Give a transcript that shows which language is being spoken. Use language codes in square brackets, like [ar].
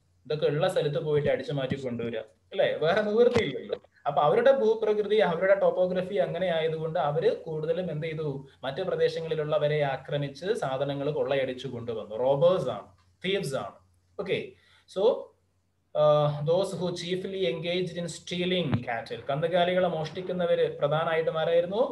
[ml] ഇതൊക്കെ ഉള്ള സ്ഥലത്ത് പോയിട്ട് അടിച്ചു മാറ്റി കൊണ്ടുവരിക അല്ലെ, വേറെ നിവൃത്തി ഇല്ലല്ലോ. അപ്പൊ അവരുടെ ഭൂപ്രകൃതി, അവരുടെ ടോപ്പോഗ്രഫി അങ്ങനെ ആയതുകൊണ്ട് അവര് കൂടുതലും എന്ത് ചെയ്തു, മറ്റു പ്രദേശങ്ങളിലുള്ളവരെ ആക്രമിച്ച് സാധനങ്ങൾ കൊള്ളയടിച്ചു കൊണ്ടുവന്നു. റോബേഴ്സ് ആണ്, തീവ്സ് ആണ്. Okay, so [en] those who chiefly engaged in stealing cattle. [ml] കന്നുകാലികളെ മോഷ്ടിക്കുന്നവർ പ്രധാനമായിട്ടും ആരായിരുന്നു?